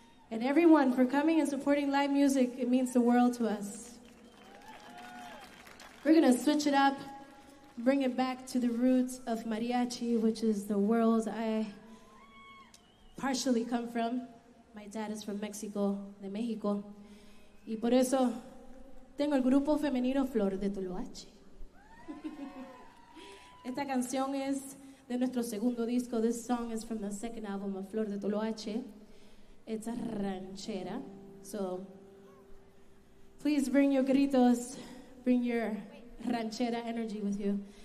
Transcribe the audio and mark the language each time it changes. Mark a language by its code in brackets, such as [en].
[en] And everyone, for coming and supporting live music, it means the world to us. We're gonna switch it up, bring it back to the roots of mariachi, which is the world I partially come from. My dad is from Mexico, de Mexico. [es] Y por eso, tengo el grupo femenino Flor de Toloache. Esta canción es de nuestro segundo disco. [en] This song is from the second album of Flor de Toloache. It's a ranchera, so please bring your gritos, bring your ranchera energy with you.